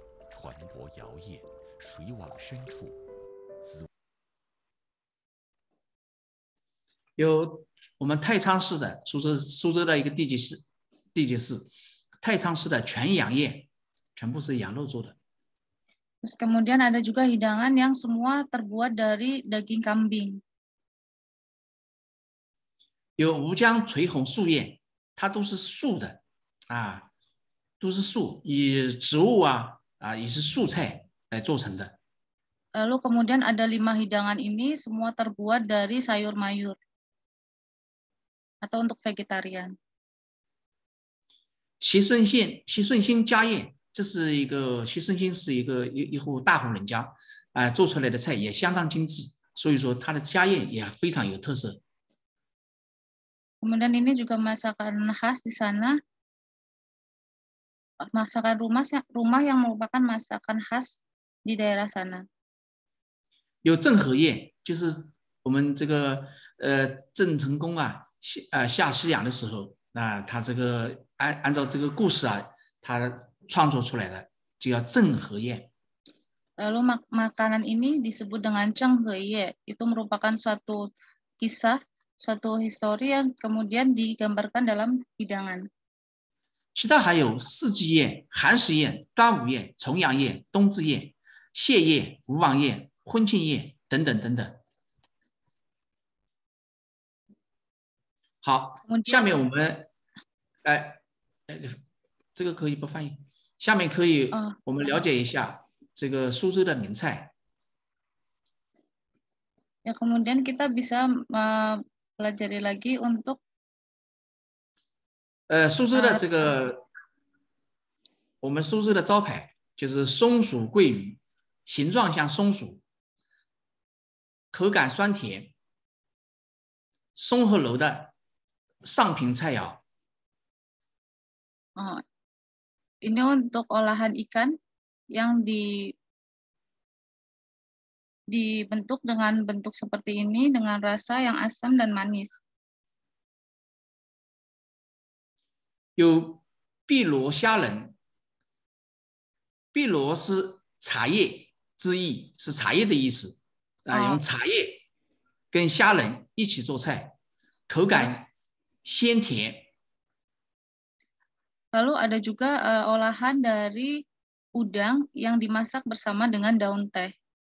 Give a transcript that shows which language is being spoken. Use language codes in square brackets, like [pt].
[zh] 船舶摇曳，水往深处，滋有我们太仓市的苏州的一个地级市太仓市的全羊宴，全部是羊肉做的。 [id] Kemudian ada juga hidangan yang semua terbuat dari daging kambing. [zh] 有吴江垂虹素宴，它都是素的，啊，都是素，以植物啊，啊，也是素菜来做成的。 [id] Lalu kemudian ada lima hidangan ini semua terbuat dari sayur mayur atau untuk vegetarian. [zh] 齐顺兴家宴。这是一个西顺兴，是一户大户人家，做出来的菜也相当精致，所以说他的家宴也非常有特色。 [id] Kemudian ini juga masakan khas di sana, masakan rumah yang merupakan masakan khas di daerah sana。 [zh] 有郑和宴，就是我们这个郑成功啊下西洋的时候，那他这个按照这个故事啊，他创作出来的就叫郑和宴。 [id] Lalu makanan ini disebut dengan Zhenghe Ye, itu merupakan suatu kisah, suatu histori yang kemudian digambarkan dalam hidangan. [zh] 其他还有四季宴、寒食宴、端午宴、重阳宴、冬至宴、谢宴、吴王宴、婚庆宴等等等等。好，下面我们，这个可以不翻译。下面可以我们了解一下这个苏州的名菜。 [id] Ya, kemudian kita bisa mempelajari lagi untuk [zh] 苏州的这个我们苏州的招牌就是松鼠桂鱼，形状像松鼠，口感酸甜，松鹤楼的上品菜肴。 [id] Ini untuk olahan ikan yang dibentuk dengan bentuk seperti ini, dengan rasa yang asam dan manis. [zh] 有碧螺虾仁，碧螺是茶叶之意，是茶叶的意思。用茶叶跟虾仁一起做菜，口感鲜甜。 [id] Lalu ada juga olahan dari udang yang dimasak bersama dengan daun teh.